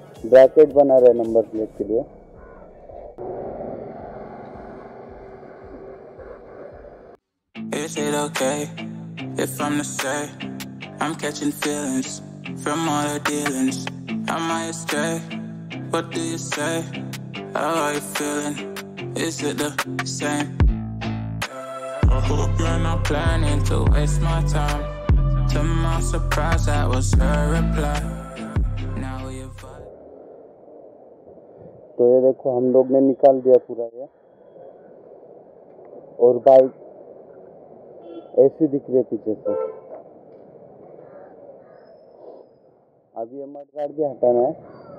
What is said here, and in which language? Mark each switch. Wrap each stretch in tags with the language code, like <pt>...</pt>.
<hi>Bracket बना रहे number plate के लिए</hi> <en>Is it okay if I'm the same? I'm catching feelings from all the dealings. Am I astray? What do you say? How are you feeling? Is it the same? I hope you're not planning to waste my time. To my surprise, that was her reply. Now you're fine.</en> <hi>तो ये देखो हम लोग ने निकाल दिया पूरा ये और बाइक ऐसी दिख रही है पीछे से अभी मडगार्ड भी हटाना है</hi>